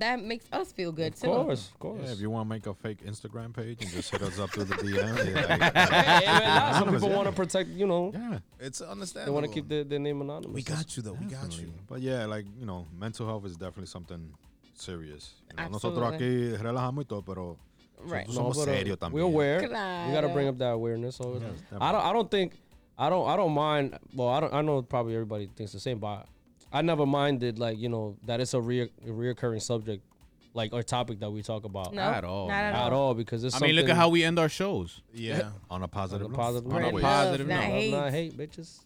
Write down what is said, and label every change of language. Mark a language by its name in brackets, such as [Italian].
[English] That makes us feel good of too. Of course. Yeah, if you want to make a fake Instagram page and just hit us up through the DM. Yeah, some people want to protect, you know. Yeah, it's understandable. They want to keep their name anonymous. We got you, though. Definitely. We got you. But yeah, like, you know, mental health is definitely something serious. You know? Absolutely. [Spanish] Nosotros aquí relajamos y todo, pero somos serios también. [English] We're aware. [Spanish] Claro. [English] We got to bring up that awareness. Always. Yeah, I don't mind. Well, I know probably everybody thinks the same, but I never minded, like, you know, that it's a reoccurring subject. Like a topic that we talk about. No, at all. Not at all. Because it's I mean, look at how we end our shows. Yeah. On a positive note. Not hate, bitches.